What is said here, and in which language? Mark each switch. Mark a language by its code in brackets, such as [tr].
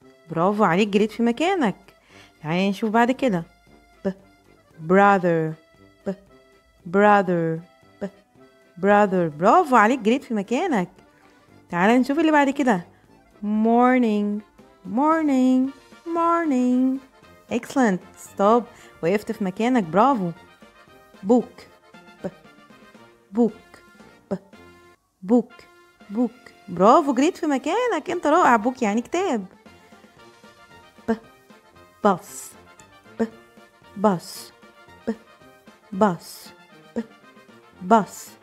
[ar] برافو عليك, جريت في مكانك. تعالي نشوف بعد كده. [en] B, brother, B, brother, B, brother. [ar] برافو عليك, جريت في مكانك. تعالي نشوف اللي بعد كده. [en] Morning, morning, morning. Excellent, stop, [ar] وقفت في مكانك, برافو. [en] Book, B, book, B, book, book. [ar] برافو, جريت في مكانك انت رائع, بوك يعني كتاب. ب باص ب باص ب باص ب باص.